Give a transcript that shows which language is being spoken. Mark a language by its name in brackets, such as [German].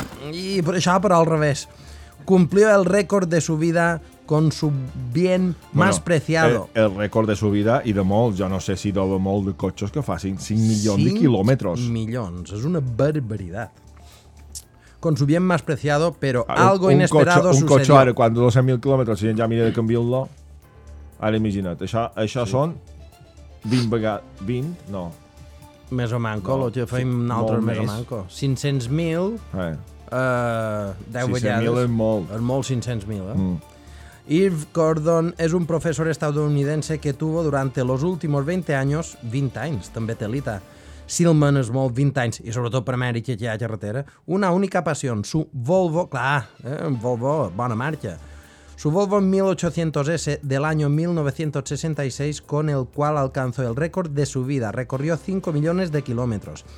[Spanish] Y por eso, pero al revés. Cumplió el récord de su vida con su bien más bueno, preciado. El récord de su vida y de molts. Yo no sé si debe [Catalan] molts de cotxes que facin [Spanish] 5 millones de kilómetros. 5 millones. Es una barbaridad. con su bien más preciado, pero algo inesperado sucedió. [Catalan] Un cotxe ara, quan 200.000 km, si ja mira de canviar-lo, ara imagina't, això sí. Són 20 vegades, 20, no. Més o manco, no. Lo que feim sí, nosaltres més o manco. 500.000, 10 vegades. 600.000 és molt. És molt [Spanish] 500.000, Irv Gordon es un profesor estadounidense que tuvo durante los últimos 20 años, 20 años, también telita, Silman es muy 20 años, y sobre todo para América, que hay carretera, una única pasión, su Volvo, claro, Volvo, buena marcha, su Volvo 1800S del año 1966, con el cual alcanzó el récord de su vida, recorrió 5 millones de kilómetros.